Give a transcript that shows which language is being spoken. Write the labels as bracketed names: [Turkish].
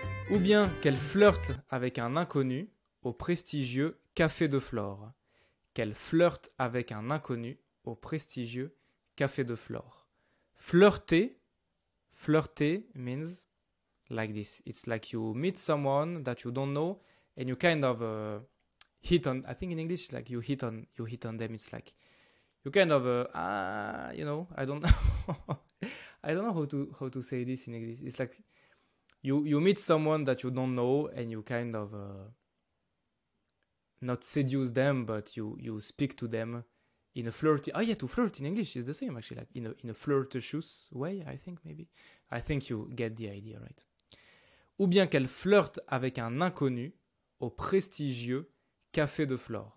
[French] Ou bien qu'elle flirte avec un inconnu au prestigieux Café de Flore. Qu'elle flirte avec un inconnu au prestigieux Café de Flore. [English] Flirter, flirter means like this. It's like you meet someone that you don't know and you kind of hit on, I think in English, like you hit on them. It's like you kind of, you know, I don't know. I don't know how to say this in English. It's like you meet someone that you don't know and you kind of not seduce them, but you speak to them in a flirty. Oh yeah, to flirt in English is the same actually, like in a flirtatious way, I think maybe. I think you get the idea, right? [French] Ou bien qu'elle flirte avec un inconnu au prestigieux Café de Flore.